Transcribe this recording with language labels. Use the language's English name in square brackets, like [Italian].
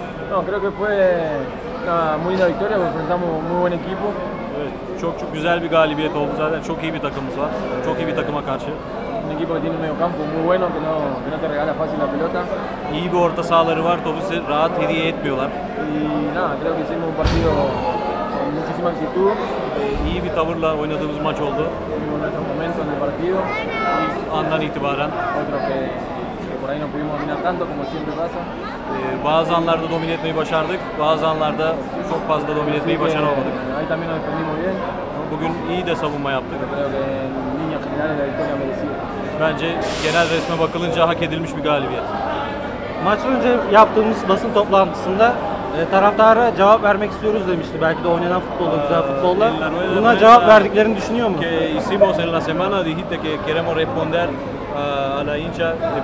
[Spanish] No, creo que fue una muy linda victoria, porque enfrentamos muy buen equipo. [Turkish] Evet, çok çok güzel bir galibiyet oldu zaten. Çok iyi bir takımımız var. Çok iyi bir takıma karşı. [Spanish] Un equipo que tiene un medio campo muy bueno, que no te regala fácil la pelota. [Turkish] İyi bir orta sahaları var, topu size rahat hediye etmiyorlar. [Spanish] Creo que hicimos un partido con muchísima actitud. [Turkish] İyi bir tavırla oynadığımız maç oldu. [Spanish] En un momento en el partido. [Turkish] Andan itibaren. [Spanish] Otro que por ahí no pudimos dominar tanto como siempre pasa. [Turkish] Bazı anlarda domine etmeyi başardık, bazı anlarda çok fazla domine etmeyi başaramadık. [Spanish] Ahí también nos defendimos bien. [Turkish] Bugün iyi de savunma yaptık. [Spanish] Creo que en línea general la victoria merecida. [Turkish] Bence genel resme bakılınca hak edilmiş bir galibiyet. Maç önce yaptığımız basın toplantısında taraftara cevap vermek istiyoruz demişti. Belki de oynanan futbolda, güzel futbolda. Buna cevap verdiklerini düşünüyor mu? [Spanish] Que hicimos en la semana dijiste que queremos responder a la hincha.